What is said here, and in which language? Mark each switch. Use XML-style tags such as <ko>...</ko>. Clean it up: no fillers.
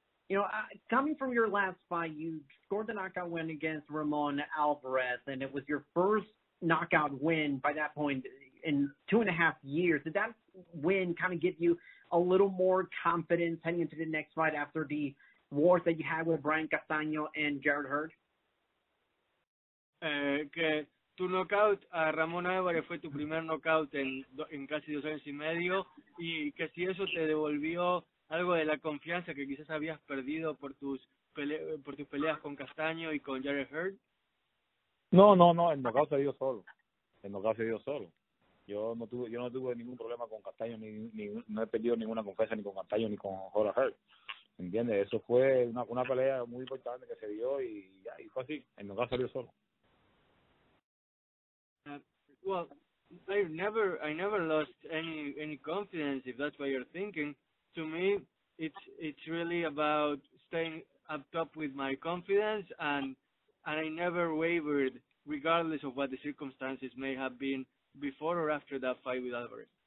<en>You know, coming from your last fight, you scored the knockout win against Ramon Alvarez, and it was your first knockout win by that point in 2.5 years. Did that win kind of give you a little more confidence heading into the next fight after the wars that you had with Brian Castaño and Jared Hurd?</en> <es>Tu knockout a Ramón Álvarez fue tu primer knockout en casi 2 años y medio, y que si eso te devolvió algo de la confianza que quizás habías perdido por tus peleas con Castaño y con Jared Hurd. No, el knockout se dio solo. Yo no tuve ningún problema con Castaño, no he perdido ninguna confianza ni con Castaño ni con Jared Hurd. ¿Entiendes? Eso fue una pelea muy importante que se dio y fue así, el knockout salió solo.</es> <en>I never lost any confidence, if that's what you're thinking. To me, it's really about staying up top with my confidence, and I never wavered, regardless of what the circumstances may have been before or after that fight with Alvarez.</en>